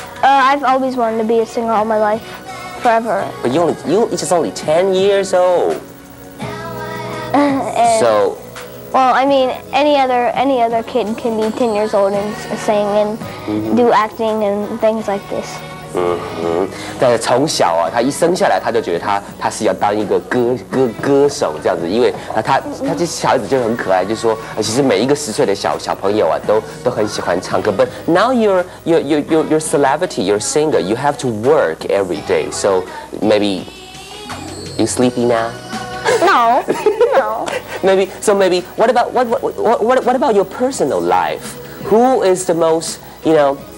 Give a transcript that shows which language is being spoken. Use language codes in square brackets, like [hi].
[en] I've always wanted to be a singer all my life, forever. But you're just only 10 years old. Well, I mean, any other kid can be 10 years old and sing and do acting and things like this. [zh] 但是从小啊，他一生下来他就觉得他是要当一个歌手这样子，因为他这小孩子就很可爱，就说其实每一个十岁的小朋友啊都很喜欢唱歌。 [en] But now you're celebrity, you're singer, you have to work every day. So maybe you sleepy now? No. Maybe what about your personal life? Who is the most, you know?